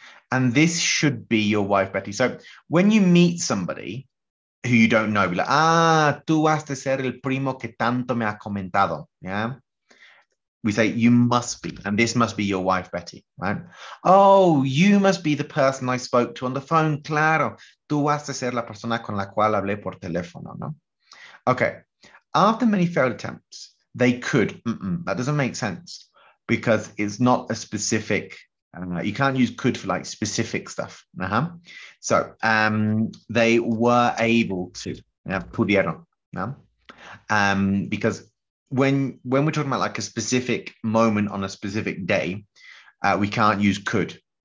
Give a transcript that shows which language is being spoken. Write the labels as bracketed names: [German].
[English] And this should be your wife, Betty. So when you meet somebody who you don't know, be like, ah, [Spanish] tú has de ser el primo que tanto me ha comentado. [English] Yeah. We say, you must be. And this must be your wife, Betty. Right. Oh, you must be the person I spoke to on the phone. [Spanish] Claro. Tú has de ser la persona con la cual hablé por teléfono. [English] No. Okay. After many failed attempts, they could. Mm-mm, that doesn't make sense because it's not a specific. I don't know. You can't use could for like specific stuff. So they were able to. Yeah, [Spanish] pudieron. [English] Yeah? Because when we're talking about like a specific moment on a specific day, we can't use could.